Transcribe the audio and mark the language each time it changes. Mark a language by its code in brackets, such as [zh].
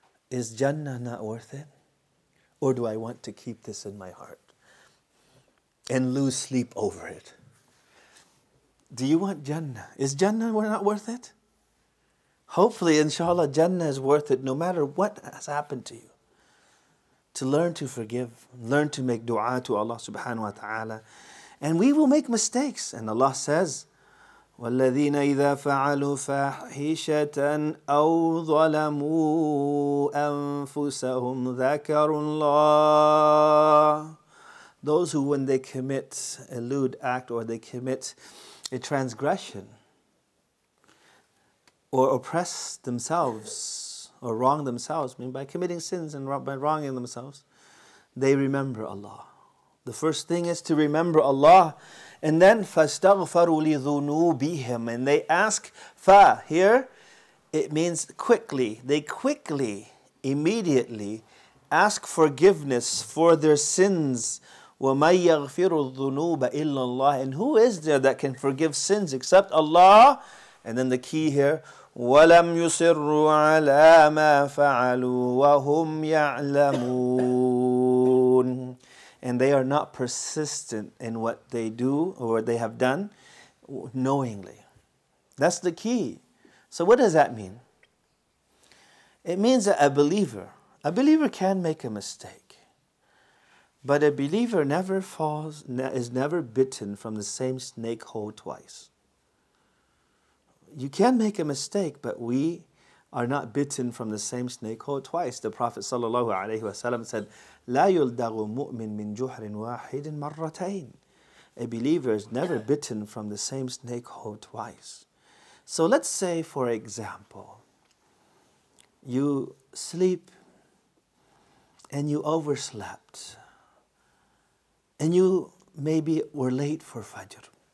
[en] Is Jannah not worth it? Or do I want to keep this in my heart and lose sleep over it? Do you want Jannah? Is Jannah not worth it? Hopefully, inshallah, Jannah is worth it no matter what has happened to you. To learn to forgive, learn to make dua to Allah subhanahu wa ta'ala. And we will make mistakes. And Allah says, [ar] والذين إذا فعلوا فاحشة أو ظلموا أنفسهم ذكروا الله. [en] Those who, when they commit a lewd act or they commit a transgression or oppress themselves or wrong themselves, I mean by committing sins and by wronging themselves, they remember Allah. The first thing is to remember Allah. And then, [ar] فَاسْتَغْفَرُوا لِذُنُوبِهِمْ. [en] And they ask, fa, here, it means quickly. They quickly, immediately, ask forgiveness for their sins. [ar] وَمَنْ يَغْفِرُ الذُّنُوبَ إِلَّا اللَّهِ. [en] And who is there that can forgive sins except Allah? And then the key here, [ar] وَلَمْ يُصِرُّوا عَلَى مَا فَعَلُوا وَهُمْ يَعْلَمُونَ. [en] And they are not persistent in what they do or what they have done knowingly. That's the key. So what does that mean? It means that a believer can make a mistake. But a believer never falls, is never bitten from the same snake hole twice. You can make a mistake, but we are not bitten from the same snake hole twice. The Prophet sallallahu alaihi wasallam said, [ar] لا يلدغ مؤمن من جحر واحد مرتين. [en] A believer is never bitten from the same snake hole twice. So let's say, for example, you sleep and you overslept and you maybe were late for Fajr.